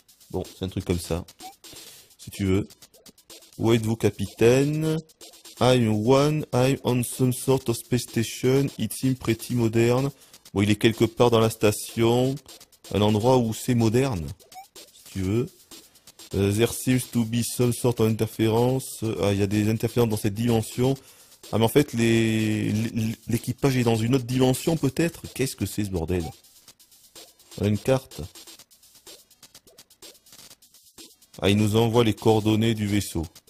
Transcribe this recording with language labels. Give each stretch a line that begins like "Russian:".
French: Bon, c'est un truc comme ça. Si tu veux. Où êtes-vous, capitaine?
English: I'm on some sort of space station. It seems pretty modern.
French: Bon, il est quelque part dans la station. Un endroit où c'est moderne. Si tu veux.
English: There seems to be some sort of interference.
French: Ah, il y a des interférences dans cette dimension. Ah, mais en fait, l'équipage est dans une autre dimension, peut-être? Qu'est-ce que c'est ce bordel? On a une carte. Ah, il nous envoie les coordonnées du vaisseau.